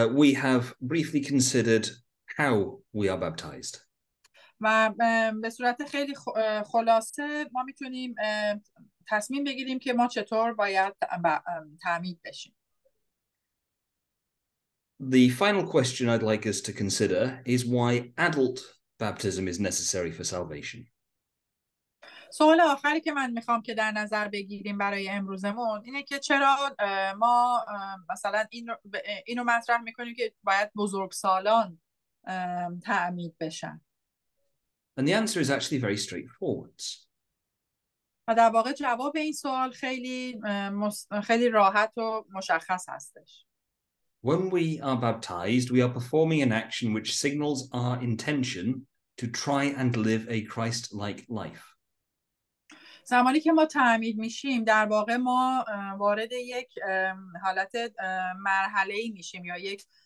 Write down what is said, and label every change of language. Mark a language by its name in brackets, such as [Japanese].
[English] We have briefly considered how we are baptized. [Persian] و به صورت خیلی خلاصه ما میتونیم تصمیم بگیریم که ما چطور باید تعمید بشیم. [English] The final question I'd like us to consider is why adult baptism is necessary for salvation. [Persian] سوال آخری که من میخوام که در نظر بگیریم برای امروزمون اینه که چرا ما مثلا اینو مطرح میکنیم که باید بزرگسالان تعمید بشن. [English] And the answer is actually very straightforward. [Persian] و در واقع جواب این سوال خیلی خیلی راحت و مشخص هستش. [English] When we are baptized, we are performing an action which signals our intention to try and live a Christ-like life. [Persian] زمانی که ما تعمید میشیم در واقع ما وارد یک حالت مرحله‌ای میشیم یا یک